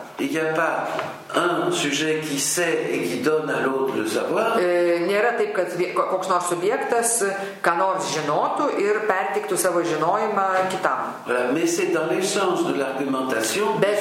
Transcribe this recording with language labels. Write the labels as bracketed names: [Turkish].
[French] Il n'y a pas un sujet qui sait et qui donne à l'autre le savoir. [Lithuanian] Nėra taip, kad koks nors subjektas ką nors žinotų ir perteiktų savo žinojimą kitam. [French] Voilà, mais c'est dans l'essence de l'argumentation